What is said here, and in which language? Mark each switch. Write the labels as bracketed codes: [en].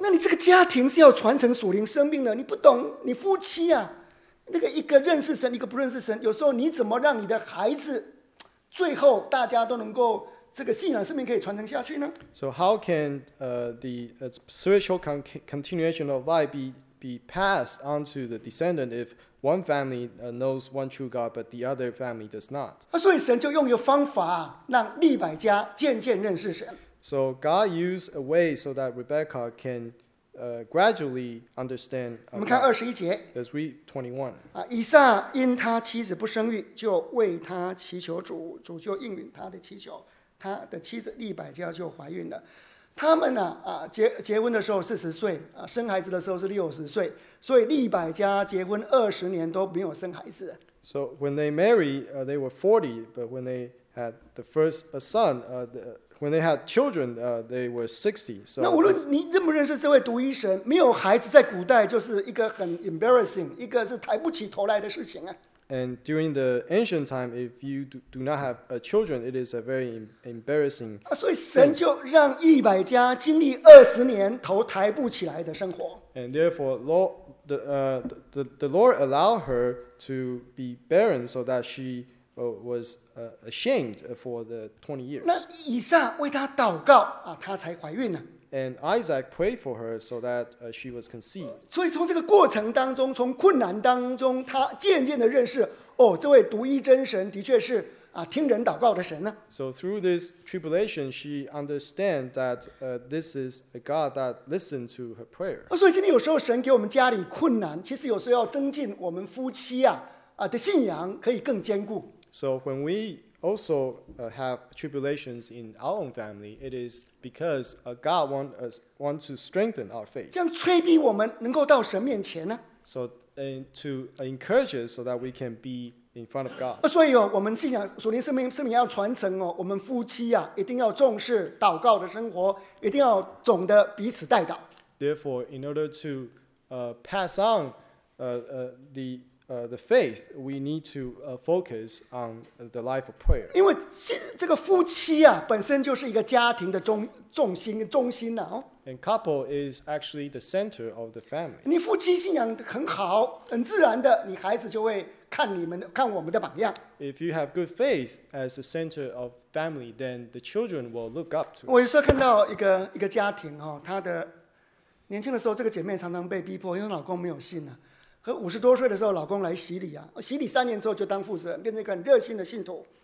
[zh] 那你这个家庭是要传承属灵生命的，你不懂，你夫妻啊，那个一个认识神，一个不认识神，有时候你怎么让你的孩子最后大家都能够这个信仰生命可以传承下去呢？ [en] So how can the spiritual continuation of life be passed on to the descendant if one family knows one true God but the other family does not? [zh] 所以神就用一个方法让利百加渐渐认识神。 [en] So God used a way so that Rebecca canGradually understand. [zh] 我们看二十一节。 [en] Let's read 21. [zh] 啊，以撒因他妻子不生育，就为他祈求主，主就应允他的祈求，他的妻子利百加就怀孕了。他们呢，结婚的时候四十岁，啊，生孩子的时候是六十岁，所以利百加结婚二十年都没有生孩子。 [en] So when they married, they were 40, but when they had the first son, When they had children, they were 60. So, [zh] 那无论你认不认识这位独一神，没有孩子在古代就是一个很 embarrassing， 一个是抬不起头来的事情啊。 [en] And during the ancient time, if you do not have children, it is a very embarrassing. [zh] 啊，所以神就让利百加经历二十年头抬不起来的生活。 [en] And therefore, the Lord allowed her to be barren so that she. Was ashamed for the 20 years. [zh] 那以撒为她祷告啊，她才怀孕了。 [en] And Isaac prayed for her so that she was conceived. [zh] 所以从这个过程当中，从困难当中，她渐渐的认识，哦，这位独一真神的确是啊，听人祷告的神呢。 [en] So through this tribulation, she understands that this is a God that listened to her prayer. [zh] 所以今天有时候神给我们家里困难，其实有时候要增进我们夫妻啊。的信仰可以更坚固。 [en] So when we also have tribulations in our own family, it is because God wants to strengthen our faith. [zh] 这样催逼我们能够到神面前呢？ [en] So to encourage us so that we can be in front of God. [zh] 所以哦，我们信仰属灵生命要传承哦，我们夫妻啊，一定要重视祷告的生活，一定要懂得彼此代祷。 [en] Therefore, in order to pass on the faith, we need to focus on the life of prayer. [zh] 因为这个夫妻啊，本身就是一个家庭的中心呐，哦。 [en] And couple is actually the center of the family. [zh] 你夫妻信仰很好，很自然的，你孩子就会看我们的榜样。 [en] If you have good faith as the center of family, then the children will look up to. [zh] 我有时候看到一个家庭哈，她的年轻的时候，这个姐妹常常被逼迫，因为老公没有信呢。和五十多岁的时候，老公来洗礼啊，洗礼三年之后就当负责人，变成一个很热心的信徒。